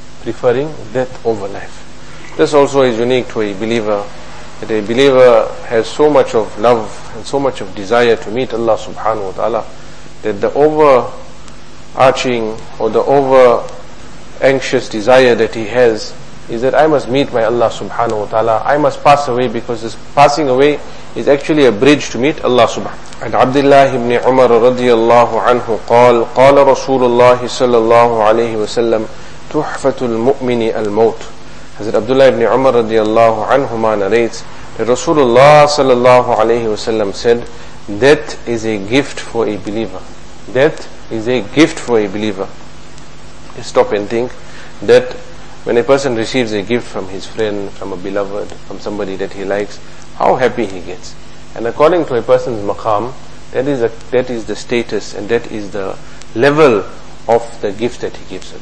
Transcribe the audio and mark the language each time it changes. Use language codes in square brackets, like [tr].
[en] Preferring death over life. This also is unique to a believer, that a believer has so much of love and so much of desire to meet Allah subhanahu wa ta'ala, that the overarching or the over anxious desire that he has is that I must meet my Allah subhanahu wa ta'ala. I must pass away, because this passing away is actually a bridge to meet Allah subhanahu wa ta'ala. [ar] عن عبد الله بن عمر رضي الله عنه قال قال رسول الله صلى الله عليه وسلم تحفة المؤمن الموت. [en] حضرت عبد الله بن عمر رضي الله عنهما narrates that رسول الله صلى الله عليه وسلم said, death is a gift for a believer. Death is a gift for a believer. You stop and think that when a person receives a gift from his friend, from a beloved, from somebody that he likes, how happy he gets. And according to a person's maqam, that is the status and that is the level of the gift that he gives.